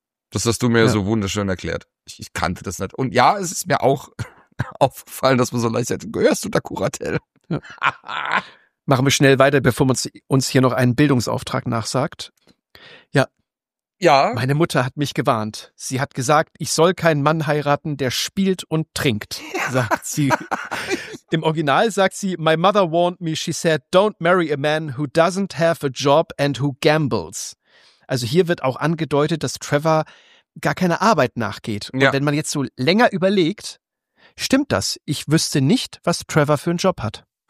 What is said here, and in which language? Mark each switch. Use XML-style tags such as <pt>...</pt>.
<de>Das hast du mir so wunderschön erklärt. Ich kannte das nicht. Und ja, es ist mir auch aufgefallen, dass man so leicht sagt, gehörst du da Kuratel? Ja. Machen wir schnell weiter, bevor man uns hier noch einen Bildungsauftrag nachsagt. Ja. Ja. Meine Mutter hat mich gewarnt. Sie hat gesagt, ich soll keinen Mann heiraten, der spielt und trinkt, sagt sie. Im Original sagt sie,</de> <en>my mother warned me, she said, don't marry a man who doesn't have a job and who gambles.</en> <de>Also hier wird auch angedeutet, dass Trevor gar keiner Arbeit nachgeht. Und wenn man jetzt so länger überlegt, stimmt das? Ich wüsste nicht, was Trevor für einen Job hat.</de>